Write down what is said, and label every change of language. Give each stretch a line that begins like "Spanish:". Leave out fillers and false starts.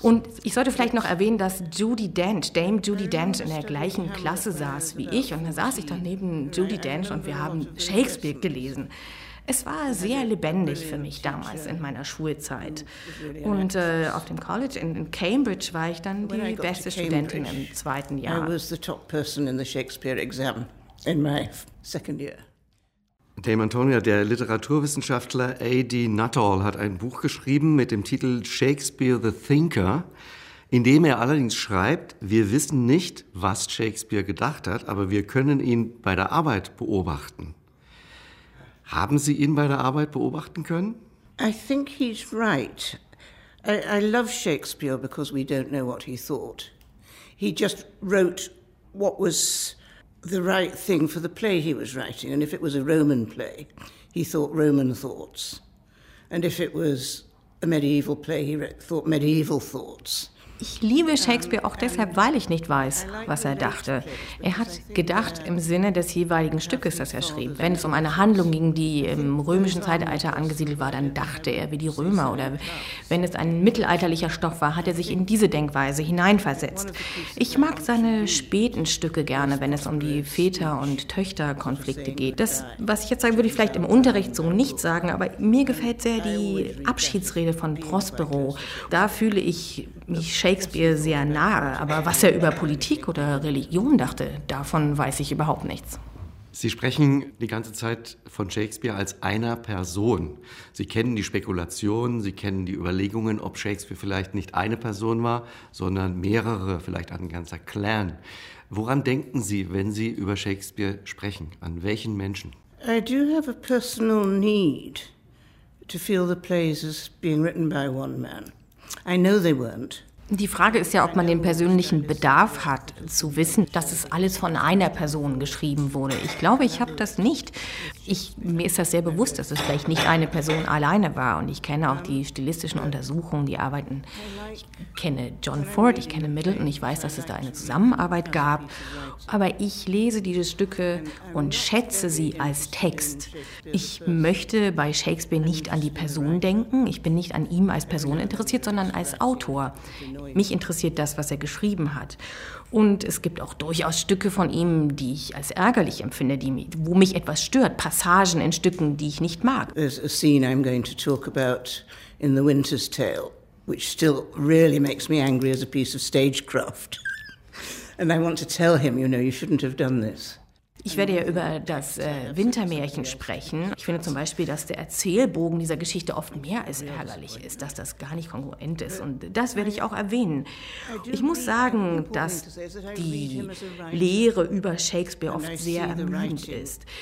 German: Und ich sollte vielleicht noch erwähnen, dass Dame Judi Dench in der gleichen Klasse saß wie ich und da saß ich dann neben Judi Dench und wir haben Shakespeare gelesen. Es war sehr lebendig für mich damals in meiner Schulzeit. Und auf dem College in Cambridge war ich dann die beste Studentin im 2. Jahr.
English: I was the top person in the Shakespeare exam in my 2nd year.
German: Dame Antonia, der Literaturwissenschaftler A.D. Nuttall hat ein Buch geschrieben mit dem Titel Shakespeare the Thinker, in dem er allerdings schreibt, wir wissen nicht, was Shakespeare gedacht hat, aber wir können ihn bei der Arbeit beobachten. Haben Sie ihn bei der Arbeit beobachten können?
English: I think he's right. I love Shakespeare because we don't know what he thought. He just wrote what was the right thing for the play he was writing. And if it was a Roman play, he thought Roman thoughts. And if it was a medieval play, he thought medieval thoughts.
German: Ich liebe Shakespeare auch deshalb, weil ich nicht weiß, was er dachte. Er hat gedacht im Sinne des jeweiligen Stückes, das er schrieb. Wenn es um eine Handlung ging, die im römischen Zeitalter angesiedelt war, dann dachte er wie die Römer. Oder wenn es ein mittelalterlicher Stoff war, hat er sich in diese Denkweise hineinversetzt. Ich mag seine späten Stücke gerne, wenn es um die Väter- und Töchterkonflikte geht. Das, was ich jetzt sage, würde ich vielleicht im Unterricht so nicht sagen, aber mir gefällt sehr die Abschiedsrede von Prospero. Da fühle ich mich Shakespeare sehr nahe, aber was er über Politik oder Religion dachte, davon weiß ich überhaupt nichts. Sie sprechen die ganze Zeit von Shakespeare als einer Person. Sie kennen die Spekulationen, Sie kennen die Überlegungen, ob Shakespeare vielleicht nicht eine Person war, sondern mehrere, vielleicht ein ganzer Clan. Woran denken Sie, wenn Sie über Shakespeare sprechen? An welchen Menschen?
English: I do have a personal need to feel the plays as being written by one man. I know they weren't.
German: Die Frage ist ja, ob man den persönlichen Bedarf hat, zu wissen, dass es alles von einer Person geschrieben wurde. Ich glaube, ich habe das nicht. Mir ist das sehr bewusst, dass es vielleicht nicht eine Person alleine war. Und ich kenne auch die stilistischen Untersuchungen, die arbeiten. Ich kenne John Ford, ich kenne Middleton, ich weiß, dass es da eine Zusammenarbeit gab. Aber ich lese diese Stücke und schätze sie als Text. Ich möchte bei Shakespeare nicht an die Person denken. Ich bin nicht an ihm als Person interessiert, sondern als Autor. Mich interessiert das, was er geschrieben hat. Und es gibt auch durchaus Stücke von ihm, die ich als ärgerlich empfinde, wo mich etwas stört. Passagen in Stücken, die ich nicht mag.
English: There's a scene I'm going to talk about in The Winter's Tale, which still really makes me angry as a piece of stagecraft. And I want to tell him, you know, you shouldn't have done this.
German: Ich werde ja über das Wintermärchen sprechen. Ich finde zum Beispiel, dass der Erzählbogen dieser Geschichte oft mehr als ärgerlich ist, dass das gar nicht kongruent ist. Und das werde ich auch erwähnen. Ich muss sagen, dass die Lehre über Shakespeare oft sehr ermüdend ist.